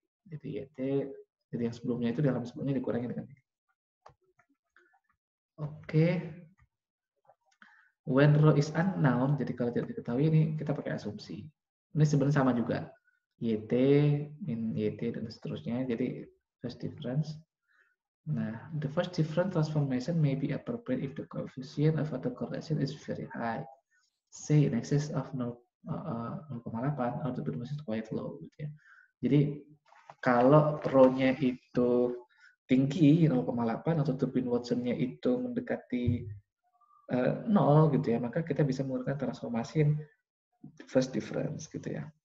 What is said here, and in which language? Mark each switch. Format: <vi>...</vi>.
<id>Jadi YT, jadi yang sebelumnya itu dalam sebelumnya dikurangi dengan ini. Oke.</id> <en>When row is unknown,</en> <id>jadi kalau tidak diketahui ini kita pakai asumsi. Ini sebenarnya sama juga. YT, min YT, dan seterusnya. Jadi first difference.</id> <en>Nah, the first difference transformation may be appropriate if the coefficient of autocorrelation is very high. Say in excess of 0,8 or the term is quite low.</en> <id>Gitu ya. Jadi kalau row-nya itu tinggi 0,8 atau Turbin Watson-nya itu mendekati nol gitu ya, maka kita bisa menggunakan transformasi first difference gitu ya.</id>